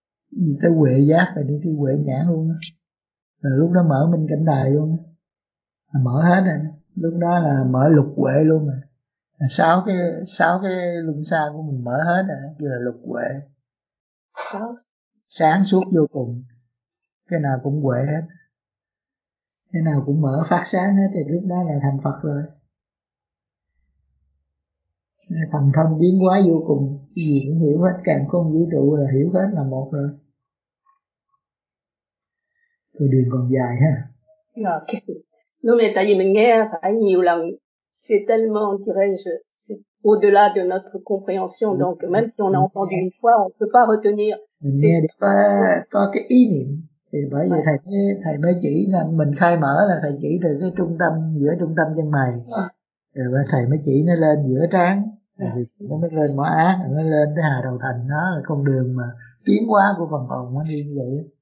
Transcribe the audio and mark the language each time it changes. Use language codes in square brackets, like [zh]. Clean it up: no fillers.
[vi] Đi tới huệ giác rồi đi tới huệ nhãn luôn á. Rồi lúc đó mở minh cảnh đài luôn, mở hết rồi, lúc đó là mở lục huệ luôn rồi, sáu cái luân xa của mình mở hết rồi, kêu là lục huệ, sáng suốt vô cùng, cái nào cũng huệ hết, cái nào cũng mở phát sáng hết, thì lúc đó là thành Phật rồi. thần thông biến hóa vô cùng, cái gì cũng hiểu hết, càng không vũ trụ là hiểu hết là một rồi. Thôi đường còn dài ha. [en] Okay. [fr] Non mais [vi] tại vì mình nghe phải nhiều lần, [fr] c'est tellement, dirais-je, c'est au-delà de notre compréhension, donc même si on a entendu une fois, on ne peut pas retenir. [vi] Mình nghe được có cái ý niệm, thì bởi vì thầy mới chỉ, mình khai mở là thầy chỉ từ cái trung tâm, giữa trung tâm chân mày. Rồi thầy mới chỉ nó lên giữa trán, nó mới lên mỏ á, nó lên tới hà đầu thành, đó là con đường mà tiến hóa của phần hồn nó đi như vậy.